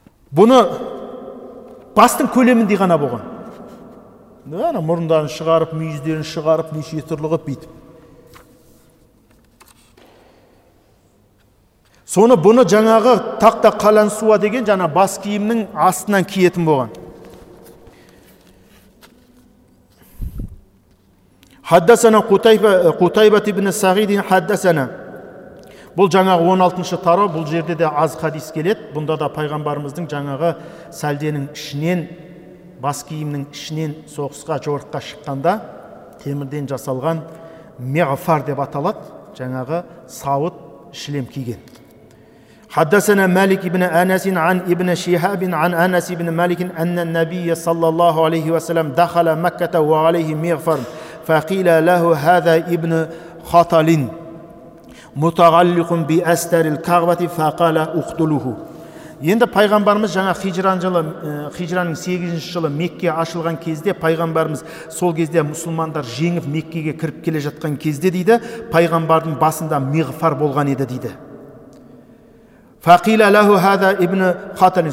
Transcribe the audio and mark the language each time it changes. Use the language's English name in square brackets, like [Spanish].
[Kazakh] Бұны бастың көлеміндей ғана болған. Ана мұрындарын шығарып, мүйіздерін шығарып, неше түрлі ғып бүйтіп. Соны бұны жаңағы тақта қалан суа деген жаңа бас киімнің астынан киетін болған. [Arabic] حدثنا قتيبه ابن سعيد حدثنا [Kazakh] бұл жаңағы 16-шы тарау, бұл жерде де аз хадис келеді. Бұнда да пайғамбарымыздың жаңағы сәлденің ішінен, бас киімнің ішінен соғысқа жорыққа шыққанда темірден жасалған миғфар деп аталады жаңағы сауыт шлем киген. [Arabic] حدثنا مالك ابن انس عن ابن شهاب عن انس ابن مالك ان النبي صلى الله عليه وسلم دخل مكه وعليه مغفر فقيل له هذا ابن خطل متعلق باستر الكعبه فقال اقتلوه. [Kazakh] Енді пайғамбарымыз жаңа хиджраның 8-ші жылы Мекке ашылған кезде, пайғамбарымыз сол кезде мұсылмандар жеңіп Меккеге кіріп келе жатқан кезде дейді, пайғамбардың басында миғфар болған еді дейді. [Arabic] فقيل له هذا ابن خطل.